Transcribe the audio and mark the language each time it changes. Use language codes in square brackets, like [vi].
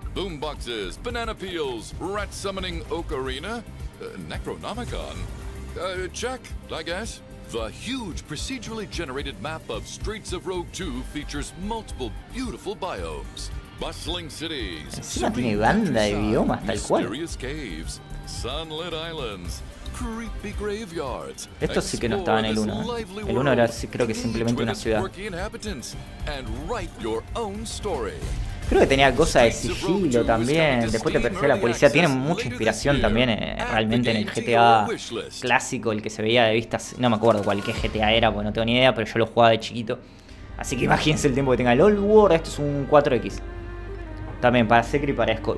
[en] Boomboxes, banana peels, rat summoning ocarina, necronomicon, check, I guess. The huge procedurally generated map of Streets of Rogue 2 features multiple beautiful biomes, bustling cities, [es] tiene banda de biomas tal cual. [en] Mysterious caves, sunlit islands, creepy graveyards. [es] Esto sí que no estaba en el 1. El 1 era, creo que simplemente una ciudad. [en] And write your own story. [es] Creo que tenía cosas de sigilo también. Después te persigue la policía. Tiene mucha inspiración también, realmente, en el GTA clásico, el que se veía de vistas. No me acuerdo cuál, qué GTA era, porque no tengo ni idea, pero yo lo jugaba de chiquito. Así que imagínense el tiempo que tenga. El Old World, esto es un 4X. También para Sekiro y para Esco.